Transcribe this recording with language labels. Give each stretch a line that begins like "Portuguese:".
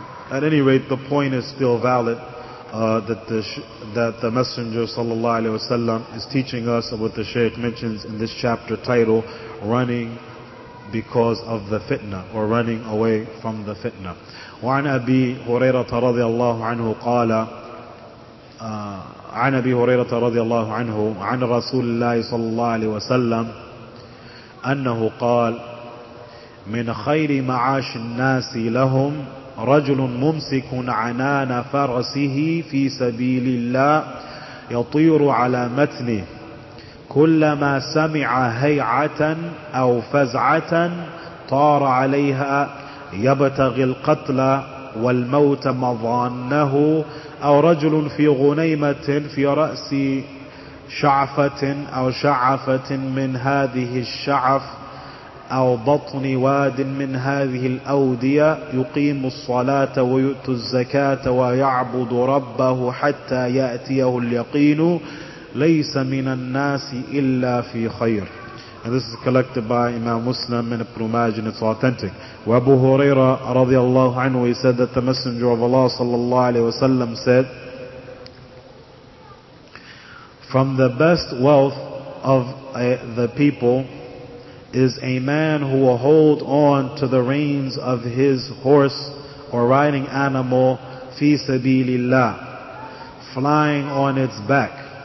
English: At any rate, the point is still valid, that the Messenger sallallahu alaihi wasallam is teaching us of what the Shaykh mentions in this chapter title, running because of the fitna, or running away from the fitna.
Arabic: وعن أبي هريرة رضي الله عنه قال عن أبي هريرة رضي الله عنه عن رسول الله صلى الله عليه وسلم أنه قال: من خير معاش الناس لهم رجل ممسك عنان فرسه في سبيل الله يطير على متنه كلما سمع هيعة أو فزعة طار عليها يبتغي القتل والموت مظانه، أو رجل في غنيمة في رأس شعفة أو شعفة من هذه الشعف أو بطن واد من هذه الأودية يقيم الصلاة ويؤتي الزكاة ويعبد ربه حتى يأتيه اليقين ليس من الناس إلا في خير.
English: And this is collected by Imam Muslim and Ibn Majah, and it's authentic. Wa Abu Huraira radiallahu anhu, he said that the Messenger of Allah sallallahu alayhi wa sallam said, from the best wealth of the people is a man who will hold on to the reins of his horse or riding animal fi sabilillah, flying on its back.